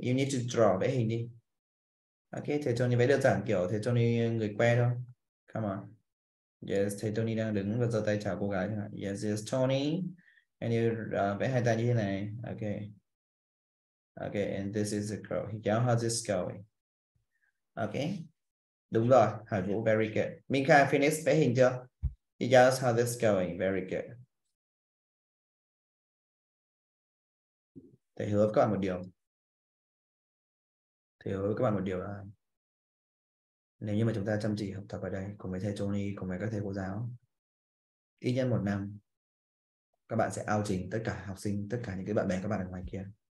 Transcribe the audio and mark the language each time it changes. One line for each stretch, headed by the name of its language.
English: You need to draw,
Vietnamese: vẽ hình đi. Okay, thầy Tony vẽ đơn giản kiểu thầy Tony người que thôi.
English: Come on.
Vietnamese: Yes, thầy Tony đang đứng và giơ tay chào cô gái. Yes, Tony. And you vẽ hai tay như thế này.
English: Okay. Okay, and this is the girl. He yells, how this going? Okay.
Vietnamese: Đúng rồi, Hải Vũ,
English: very good. Minka finished
Vietnamese: vẽ hình chưa?
English: He does how this going, very good.
Vietnamese: Thầy hứa các bạn một điều. Thầy hứa các bạn một điều là nếu như mà chúng ta chăm chỉ học tập ở đây cùng với thầy Tony, cùng với các thầy cô giáo ít nhất một năm, các bạn sẽ ao trình tất cả học sinh, tất cả những cái bạn bè các bạn ở ngoài kia.